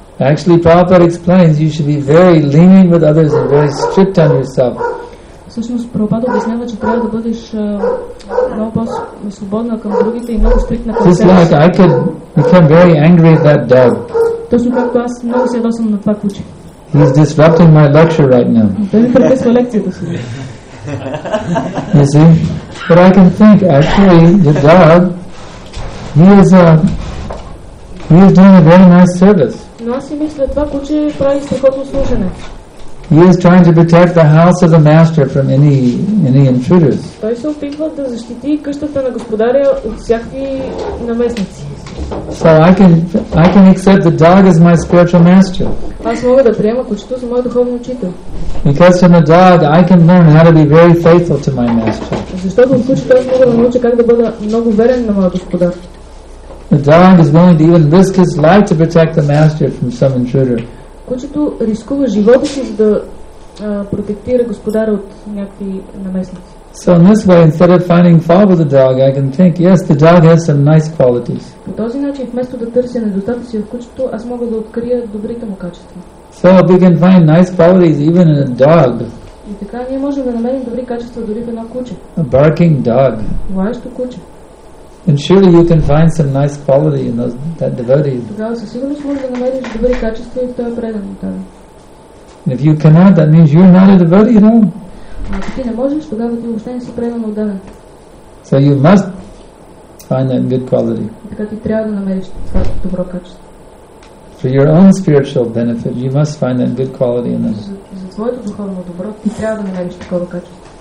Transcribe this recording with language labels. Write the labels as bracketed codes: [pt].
[en] Actually, Prabhupada explains you should be very lenient with others and very strict on yourself. [bg] Всъщност Прабхупада обяснява, че трябва да бъдеш много по-свободна към другите и много стриктна към себе. [en] Like I could become very angry at that dog. [bg] Точно както аз много се ядосам на това куче. [en] He's disrupting my lecture right now. [bg] Той ми прекъсва лекцията си. [en] You see? But I can think, actually, your dog, he is doing a very nice service. [bg] Но аз си мисля, това куче прави страхотно служене. [en] He is trying to protect the house of the master from any intruders. [bg] Той се опитва да защити къщата на господаря от всякакви наместници. [en] So I can accept the dog as my spiritual master. [bg] Аз мога да приема кучето за мой духовен учител. [en] Because from the dog I can learn how to be very faithful to my master. [bg] Защото от кучето аз мога да науча как да бъда много верен на моя господар. [en] The dog is willing to even risk his life to protect the master from some intruder. [bg] Кучето рискува живота си, за да протектира господара от някакви наместници. [en] So in this way, instead of finding fault with the dog, I can think, yes, the dog has some nice qualities. [bg] По този начин, вместо да търся недостатъци в кучето, аз мога да открия добрите му качества. [en] So we can find nice qualities even in a dog. [bg] И така ние можем да намерим добри качества дори в едно куче. [en] A barking dog. [bg] Лаящо куче. [en] And surely you can find some nice quality in that devotee. [bg] Тогава със сигурност можеш да намериш добри качества и в този предан. [en] And if you cannot, that means you're not a devotee at all. [bg] Ако ти не можеш, тогава ти въобще не си предан отдаден. [en] So you must find that good quality. [bg] Така ти трябва да намериш това добро качество. [en] For your own spiritual benefit, you must find that good quality in them. [bg] За твоето духовно добро, ти трябва да намериш такова качество.